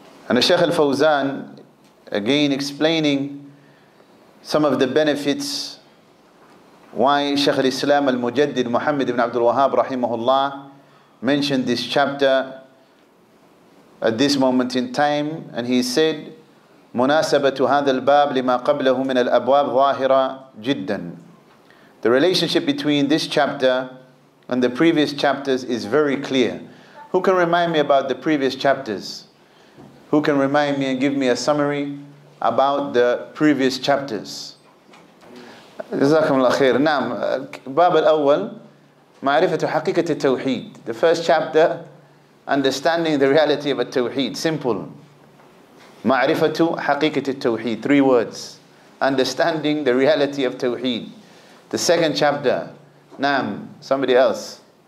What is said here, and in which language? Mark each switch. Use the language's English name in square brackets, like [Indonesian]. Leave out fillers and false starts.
[English] And the Shaykh al-Fawzan again explaining some of the benefits why Shaykh al-Islam al-Mujaddid Muhammad ibn Abdul Wahhab rahimahullah mentioned this chapter at this moment in time, and he said, [Arabic] مُنَاسَبَةُ هَذَا الْبَابِ لِمَا قَبْلَهُ مِنَ الْأَبْوَابِ ظَاهِرًا جِدًّا [English] The relationship between this chapter and the previous chapters is very clear. Who can remind me about the previous chapters? Who can remind me and give me a summary about the previous chapters? [Arabic] جزاكم الله خير. نعم. باب الأول معرفة حقيقة التوحيد. [English] The first chapter Understanding the reality of a tawheed, simple. Ma'rifatu haqiqati tawheed, three words. Understanding the reality of tawheed. The second chapter, Naam, somebody else.